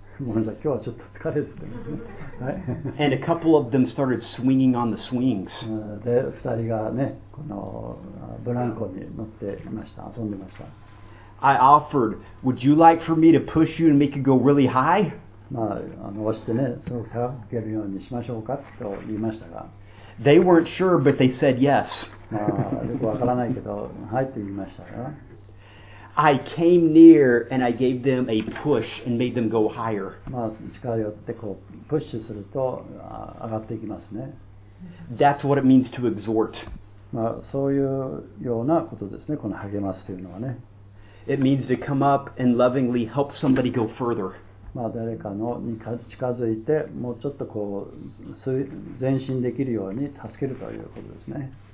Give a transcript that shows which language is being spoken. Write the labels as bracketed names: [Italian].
[Japanese] もう今日はちょっと疲れてて、ね。はい。 [English] And a couple of them started swinging on the swings. [Japanese] で、2人がね、このブランコに乗っていました。遊んでました。 [English] I offered, would you like for me to push you and make you go really high? [Japanese] まあ、押してね、すごく高くいけるようにしましょうかと言いましたが。 [English] They weren't sure, but they said yes. [Japanese] まあ、よくわからないけど、はいと言いましたが。 [English] I came near and I gave them a push and made them go higher. [Japanese] まあ近寄ってこうプッシュすると上がっていきますね。 [English] That's what it means to exhort. [Japanese] まあそういうようなことですね。この励ますというのはね。 [English] It means to come up and lovingly help somebody go further. [Japanese] まあ誰かのに近づいてもうちょっとこう前進できるように助けるということですね。